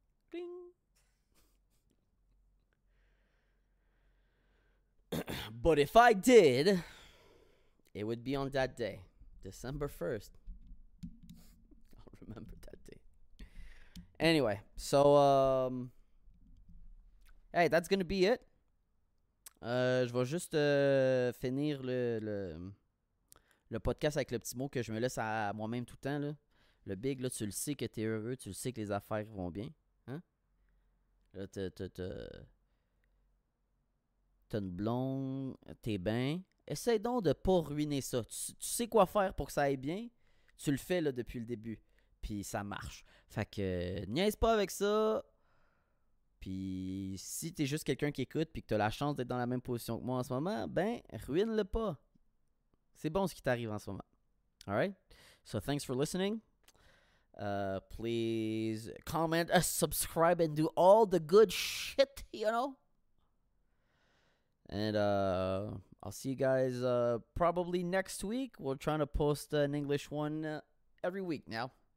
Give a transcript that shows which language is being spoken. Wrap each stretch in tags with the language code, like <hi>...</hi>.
<en>Bing. But if I did, it would be on that day, December 1st. I'll remember that day. Anyway, so, hey, that's going to be it.</en> <fr>Je vais juste finir le podcast avec le petit mot que je me laisse à moi-même tout le temps. Là. Le big, là, tu le sais que t'es heureux, tu le sais que les affaires vont bien. Hein? Là, t'as une blonde, t'es bien. Essaye donc de pas ruiner ça. Tu sais quoi faire pour que ça aille bien. Tu le fais là, depuis le début. Puis ça marche. Fait que niaise pas avec ça. Puis si t'es juste quelqu'un qui écoute puis que t'as la chance d'être dans la même position que moi en ce moment, ben, ruine-le pas. C'est bon ce qui t'arrive en ce moment.</fr> <en>Alright? So thanks for listening. Please comment, subscribe and do all the good shit, you know? And I'll see you guys probably next week. We're trying to post an English one every week now.</en>